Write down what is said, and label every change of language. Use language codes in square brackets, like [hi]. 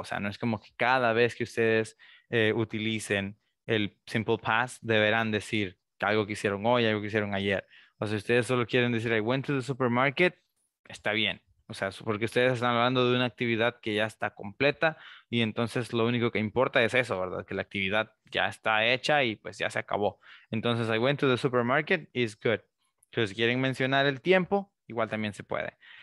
[es] O sea, no es como que cada vez que ustedes utilicen el simple past deberán decir algo que hicieron hoy, algo que hicieron ayer. O sea, si ustedes solo quieren decir [en] I went to the supermarket, [es] está bien. O sea, porque ustedes están hablando de una actividad que ya está completa y entonces lo único que importa es eso, ¿verdad? Que la actividad ya está hecha y pues ya se acabó. Entonces, [en] I went to the supermarket is good. [es] Entonces, si quieren mencionar el tiempo, igual también se puede.